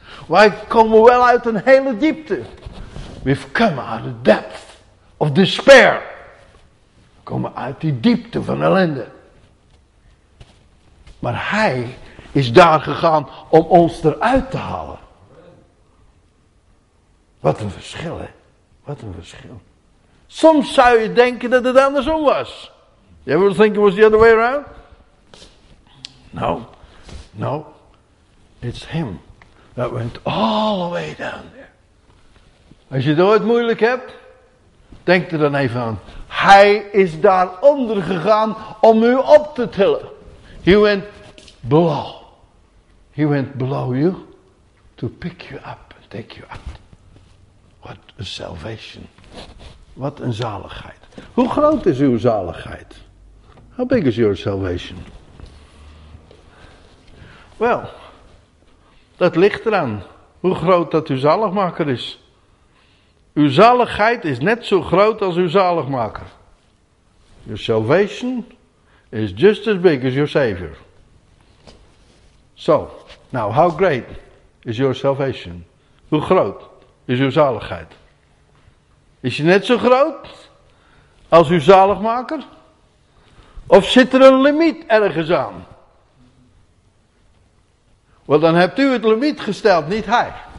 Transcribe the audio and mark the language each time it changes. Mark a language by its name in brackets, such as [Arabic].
[Dutch] Wij komen wel uit een hele diepte. [English] We've come out of the depth of despair. [Dutch] We komen uit die diepte van ellende. Maar hij is daar gegaan om ons eruit te halen. Wat een verschil, hè? Wat een verschil. Soms zou je denken dat het andersom was. [English] You ever think it was the other way around? No. No. It's him that went all the way down there. [Dutch] Als je het ooit moeilijk hebt, denk er dan even aan. Hij is daaronder gegaan om u op te tillen. [English] He went below. He went below you to pick you up and take you out. What a salvation. [Dutch] Wat een zaligheid. Hoe groot is uw zaligheid? [English] How big is your salvation? [Dutch] Wel, dat ligt eraan hoe groot dat uw zaligmaker is. Uw zaligheid is net zo groot als uw zaligmaker. [English] Your salvation is just as big as your savior. So, now how great is your salvation? [Dutch] Hoe groot is uw zaligheid? Is je net zo groot als uw zaligmaker? Of zit er een limiet ergens aan? Wel, dan hebt u het limiet gesteld, niet hij.